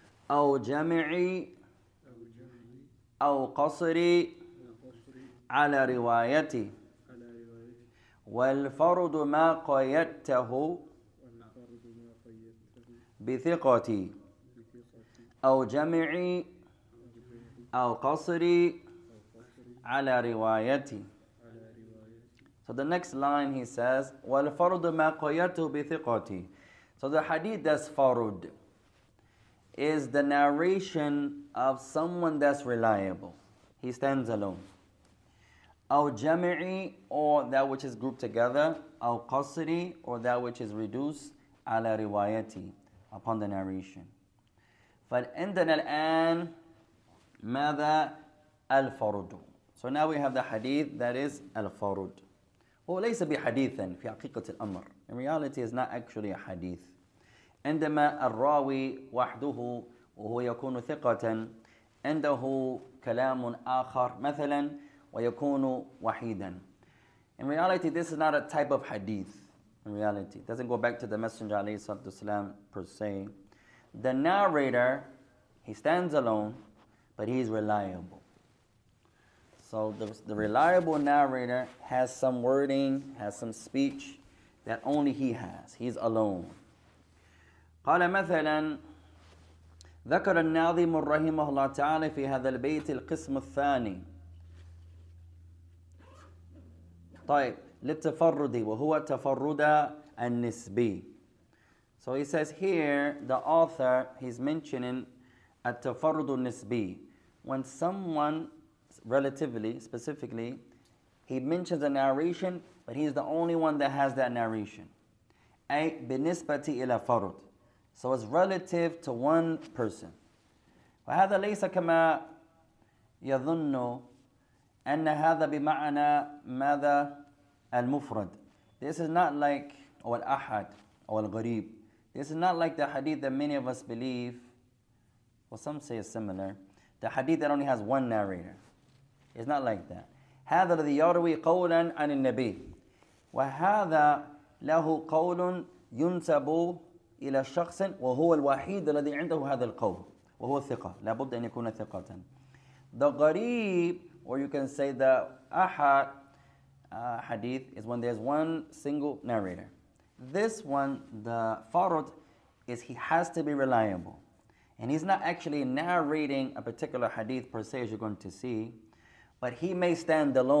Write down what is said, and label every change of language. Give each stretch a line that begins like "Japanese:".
Arabic: أو جمعي أو قصري على روايتي والفرض ما قيدته بثقتي أو جمعي أو قصري على روايتي.
English: So the next line he says
Arabic: والفرض ما قيدته بثقتي.
English: So the hadith that's farud is the narration of someone that's reliable. He stands alone.
Arabic: أو جمعي,
English: or that which is grouped together,
Arabic: أو قصري,
English: or that which is reduced,
Arabic: على روايتي,
English: upon the narration.
Arabic: فالعندنا الآن ماذا الفرد.
English: So now we have the hadith that is الفرد.
Arabic: هو ليس بحديثا في حقيقة الأمر.
English: In reality, it's not actually a hadith.
Arabic: عندما الراوي وحده وهو يكون ثقة عنده كلام آخر مثلا ويكون وحيدا.
English: In reality, this is not a type of hadith. In reality, it doesn't go back to the Messenger
Arabic: عليه الصلاة والسلام
English: per se. The narrator, he stands alone, but he's reliable. So the reliable narrator has some wording, has some speech that only he has. He's alone.
Arabic: قال مثلا ذكر الناظم رحمه الله تعالى في هذا البيت القسم الثاني. طيب للتفرد وهو تفرد النسبي.
English: So he says here, the author, he's mentioning التفرد النسبي. When someone, relatively, specifically, he mentions a narration, but he's the only one that has that narration. أي بالنسبة إلى فرد. So it's relative to one person.
Arabic: وهذا ليس كما يظن أن هذا بمعنى ماذا المفرد.
English: This is not like
Arabic: أو الأحد أو الغريب.
English: This is not like the hadith that many of us believe, or some say it's similar, the hadith that only has one narrator. It's not like that.
Arabic: هذا الذي يروي قولا عن النبي وهذا له قول ينسب إلى شخص وهو الوحيد الذي عنده هذا القول وهو الثقة. لابد أن يكون ثقة.
English: The غريب, or you can say the أحد hadith, is when there's one single narrator. This one, the farud, is he has to be reliable. And he's not actually narrating a particular hadith per se, as you're going to see, but he may stand alone.